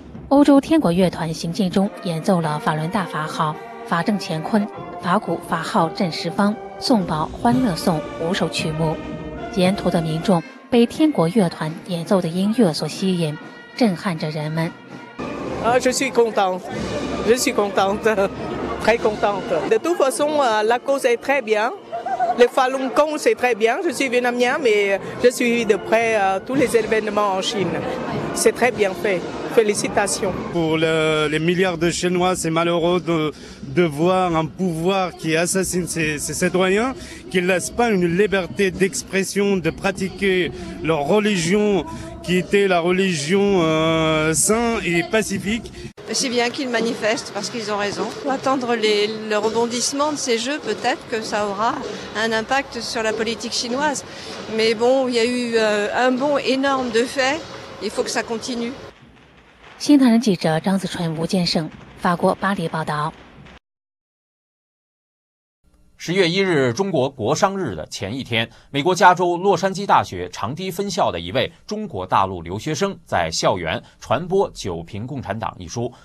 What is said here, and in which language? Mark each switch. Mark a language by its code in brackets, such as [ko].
[zh] 欧洲天国乐团行进中演奏了法轮大法号、法正乾坤、法鼓法号镇十方、颂宝欢乐颂五首曲目，沿途的民众被天国乐团演奏的音乐所吸引，震撼着人们。啊，这是共党，这是共党的，太共党的。 [fr] De toute façon, la cause est très bien. Le Falun Gong c'est très bien. Je suis vietnamien, mais je suis de près tous les événements en Chine. C'est très bien fait. Félicitations. Pour les milliards de Chinois, c'est malheureux de voir un pouvoir qui assassine ses citoyens, qui ne laisse pas une liberté d'expression, de pratiquer leur religion, qui était la religion saine et pacifique. C'est bien qu'ils manifestent parce qu'ils ont raison. Il faut attendre le rebondissement de ces jeux, peut-être que ça aura un impact sur la politique chinoise. Mais bon, il y a eu un bond énorme de fait, il faut que ça continue. [zh] 新唐人记者张子淳、吴建胜，法国巴黎报道。 10月1日，中国国殇日的前一天，美国加州洛杉矶大学长堤分校的一位中国大陆留学生在校园传播《九评共产党》一书。